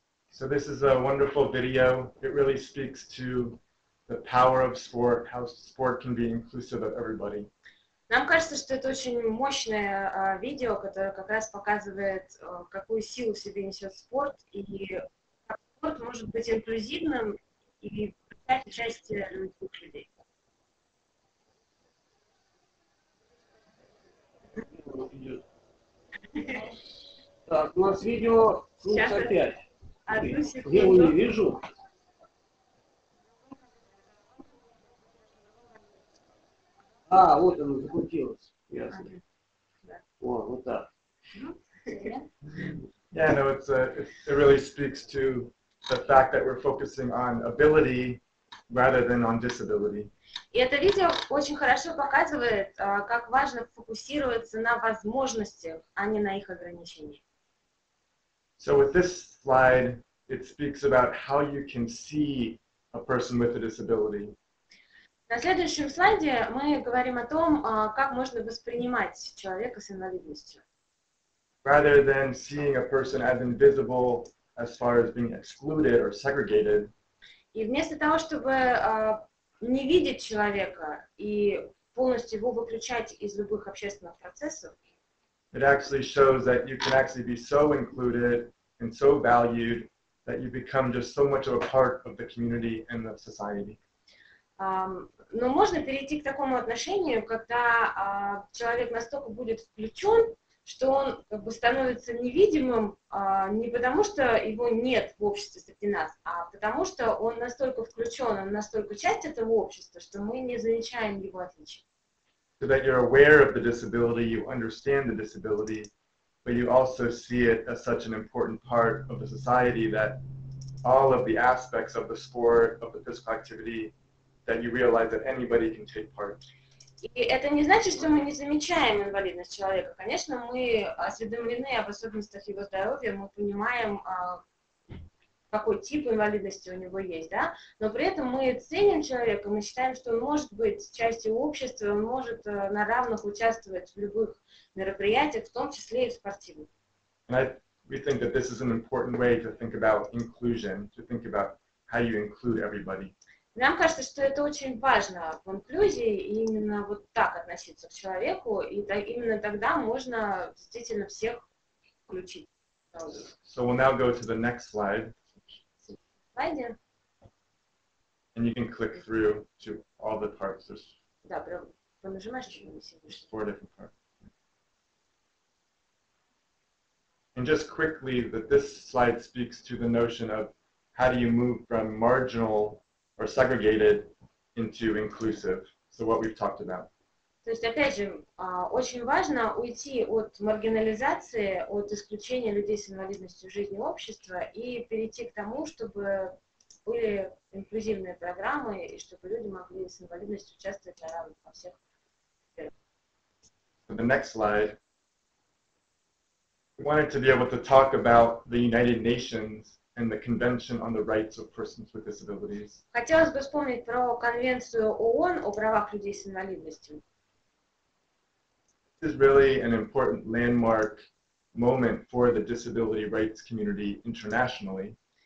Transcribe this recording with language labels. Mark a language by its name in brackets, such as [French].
[English] So this is a wonderful video. It really speaks to the power of sport, how sport can be inclusive of everybody. [Russian] Нам кажется, что это очень мощное видео, которое как раз показывает, какую силу себе несет спорт, и как спорт может быть инклюзивным и принять участие других людей. Так, у нас видео круто опять. Я его не вижу. А, вот оно закрутилось. Ясно. О, вот так. [English] Yeah, no, it's a, it really speaks to the fact that we're focusing on ability rather than on disability. [Russian] И это видео очень хорошо показывает, как важно фокусироваться на возможностях, а не на их ограничениях. [English] So with this slide, it speaks about how you can see a person with a disability. [Russian] На следующем слайде мы говорим о том, как можно воспринимать человека с инвалидностью. [English] Rather than seeing a person as invisible as far as being excluded or segregated. [Russian] И вместо того, чтобы не видеть человека и полностью его выключать из любых общественных процессов. [English] It actually shows that you can actually be so included and so valued that you become just so much of a part of the community and the society. [Russian] Но можно перейти к такому отношению, когда человек настолько будет включен, что он как бы становится невидимым не потому, что его нет в обществе среди нас, а потому что он настолько включен, он настолько часть этого общества, что мы не замечаем его отличий. [English] So that you're aware of the disability, you understand the disability, but you also see it as such an important part of the society that all of the aspects of the sport, of the physical activity, that you realize that anybody can take part. [Russian] И это не значит, что мы не замечаем инвалидность человека. Конечно, мы осведомлены об особенностях его здоровья, мы понимаем, какой тип инвалидности у него есть, да? Но при этом мы ценим человека, мы считаем, что он может быть частью общества, он может на равных участвовать в любых мероприятиях, в том числе и в спортивных. [English] And we think that this is an important way to think about inclusion, to think about how you include everybody. [Russian] Нам кажется, что это очень важно в инклюзии именно вот так относиться к человеку, и именно тогда можно действительно всех включить. [English] So we'll now go to the next slide. [Russian] Слайде. [English] And you can click through to all the parts. There's [Russian] да, прям понажимаешь что-нибудь. [English] Four different parts. And just quickly, that this slide speaks to the notion of how do you move from marginal or segregated into inclusive. So what we've talked about. [Russian] То есть, опять же, очень важно уйти от маргинализации, от исключения людей с инвалидностью в жизни общества и перейти к тому, чтобы были инклюзивные программы и чтобы люди могли с инвалидностью участвовать на равных во всех. [English] The next slide. We wanted to be able to talk about the United Nations and the Convention on the Rights of Persons with Disabilities. [Russian] Хотелось бы вспомнить про конвенцию ООН о правах людей с инвалидностью. [English] This is really an important landmark moment for the disability rights community internationally.